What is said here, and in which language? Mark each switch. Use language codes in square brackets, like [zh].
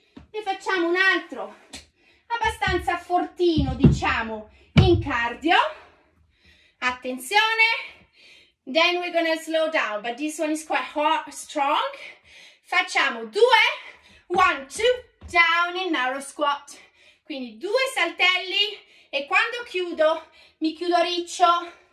[it] E facciamo un altro abbastanza fortino, diciamo, in cardio. Attenzione, [en] Then we're gonna slow down, but this one is quite hard, strong. [it] Facciamo due, [en] one, two, down in narrow squat. [it] Quindi due saltelli e quando chiudo, mi chiudo riccio.